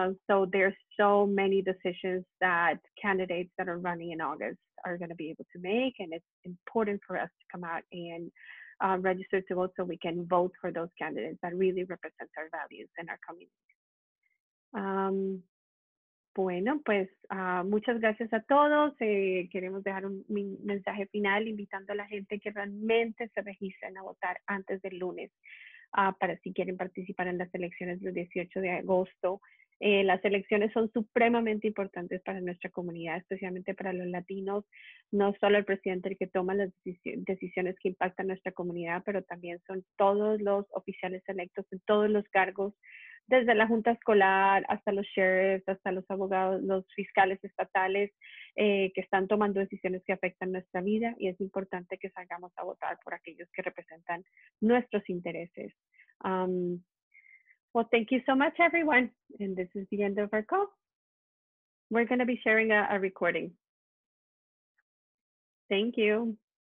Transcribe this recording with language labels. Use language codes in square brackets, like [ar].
[en] So there's so many decisions that candidates that are running in August are going to be able to make, and it's important for us to come out and register to vote so we can vote for those candidates that really represent our values and our community. [es] Bueno, pues muchas gracias a todos. Queremos dejar un mensaje final invitando a la gente que realmente se registren a votar antes del lunes. para si quieren participar en las elecciones del 18 de agosto. Las elecciones son supremamente importantes para nuestra comunidad, especialmente para los latinos. No solo el presidente el que toma las decisiones que impactan nuestra comunidad, pero también son todos los oficiales electos en todos los cargos, desde la junta escolar hasta los sheriffs, hasta los abogados, los fiscales estatales, que están tomando decisiones que afectan nuestra vida, y es importante que salgamos a votar por aquellos que representan nuestros intereses. [en] Well, thank you so much, everyone. And this is the end of our call. We're going to be sharing a recording. Thank you.